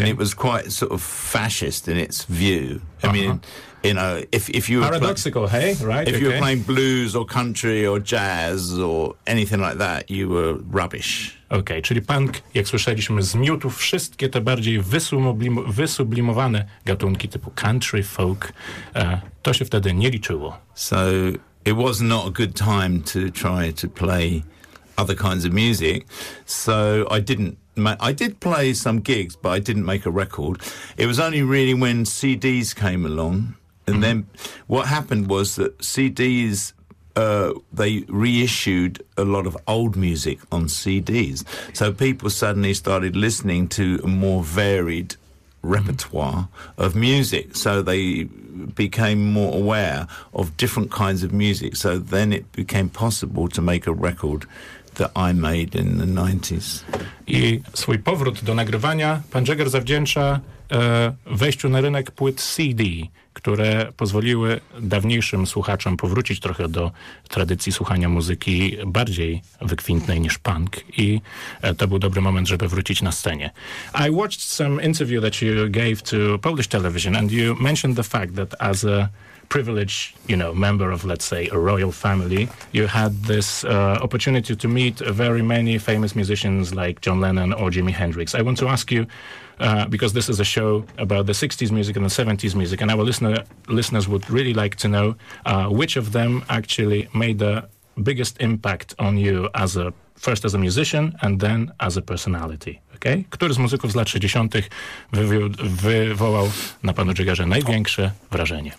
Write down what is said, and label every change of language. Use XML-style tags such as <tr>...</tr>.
<en>And it was quite sort of fascist in its view. I mean, you know, if you were paradoxical, right? If you were playing blues or country or jazz or anything like that, you were rubbish.</en> <pl>Okej, okay, czyli punk, jak słyszeliśmy, zmiótł wszystkie te bardziej wysublimowane gatunki typu country, folk. To się wtedy nie liczyło.</pl> <en>So, it was not a good time to try to play other kinds of music, so I didn't. I did play some gigs, but I didn't make a record. It was only really when CDs came along, and then what happened was that CDs, they reissued a lot of old music on CDs. So people suddenly started listening to a more varied repertoire of music. So they became more aware of different kinds of music. So then it became possible to make a record that I made in the 90s.</en> <pl>I swój powrót do nagrywania pan Jagger zawdzięcza wejściu na rynek płyt CD, które pozwoliły dawniejszym słuchaczom powrócić trochę do tradycji słuchania muzyki bardziej wykwintnej niż punk. I to był dobry moment, żeby wrócić na scenie.</pl> <en>I watched some interview that you gave to Polish television, and you mentioned the fact that as a privileged, you know, member of, let's say, a royal family, you had this opportunity to meet very many famous musicians like John Lennon or Jimi Hendrix. I want to ask you, because this is a show about the 60s music and the 70s music, and our listeners would really like to know which of them actually made the biggest impact on you as a first as a musician and then as a personality.</en> <pl>Okay? Który z muzyków z lat 60. wywołał na panu Jaggerze największe wrażenie?</pl>